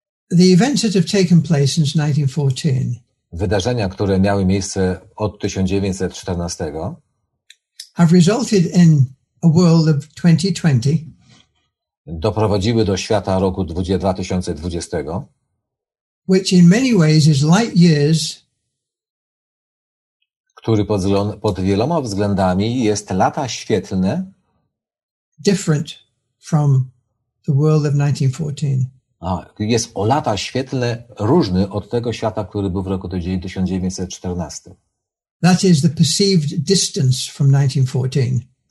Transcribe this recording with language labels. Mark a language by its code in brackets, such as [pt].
[en] The events that have taken place since 1914. [pl] Wydarzenia, które miały miejsce od 1914, [en] have resulted in a world of 2020. [pl] Doprowadziły do świata roku 2020, [en] which in many ways is light years, [pl] który pod wieloma względami jest lata świetlne, [en] different from the world of 1914. [pl] Jest o lata świetle różny od tego świata, który był w roku 1914. [en] That is the perceived distance from 1914.